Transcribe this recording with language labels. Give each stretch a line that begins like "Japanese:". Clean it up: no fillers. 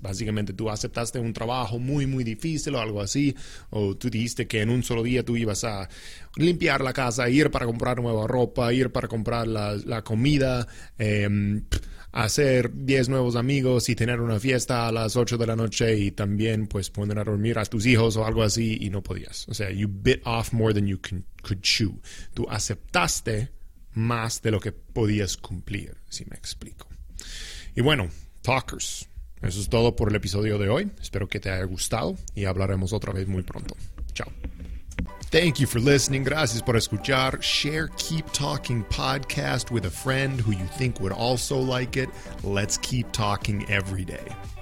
Spanish: Básicamente, tú aceptaste un trabajo muy, muy difícil o algo así, o tú dijiste que en un solo día tú ibas a limpiar la casa, ir para comprar nueva ropa, ir para comprar la comida, hacer 10 nuevos amigos y tener una fiesta a las 8 de la noche y también, pues, poner a dormir a tus hijos o algo así, y no podías. O sea,
English: you bit off more than you could chew.
Spanish: Tú aceptaste más de lo que podías cumplir, si me explico. Y bueno, talkers, eso es todo por el episodio de hoy. Espero que te haya gustado y hablaremos otra vez muy pronto.
English: Chao. Thank you for listening.
Spanish: Gracias por escuchar.
English: Share Keep Talking Podcast with a friend who you think would also like it. Let's keep talking every day.